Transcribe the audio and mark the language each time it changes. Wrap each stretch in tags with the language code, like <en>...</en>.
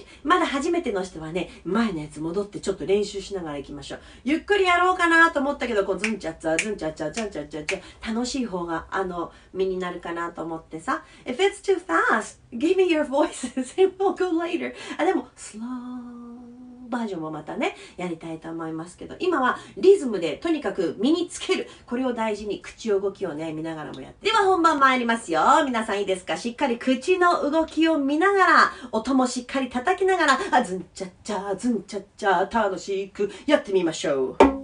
<ja>まだ初めての人はね、前のやつ戻ってちょっと練習しながら行きましょう。ゆっくりやろうかなと思ったけど、こう、ズンチャッチャ、ズンチャッチャ、ズンチャッチャ、ズンチャ、楽しい方が、身になるかなと思ってさ。</ja> <en>If it's too fast, give me your voices and we'll go later.</en> <ja>あ、でも、slow バージョンもまたね、やりたいと思いますけど、今はリズムでとにかく身につける。これを大事に口動きをね、見ながらもやって。では本番参りますよ。皆さんいいですか？しっかり口の動きを見ながら、音もしっかり叩きながら、あ、ズンチャッチャー、ズンチャッチャー、楽しくやってみましょう。</ja>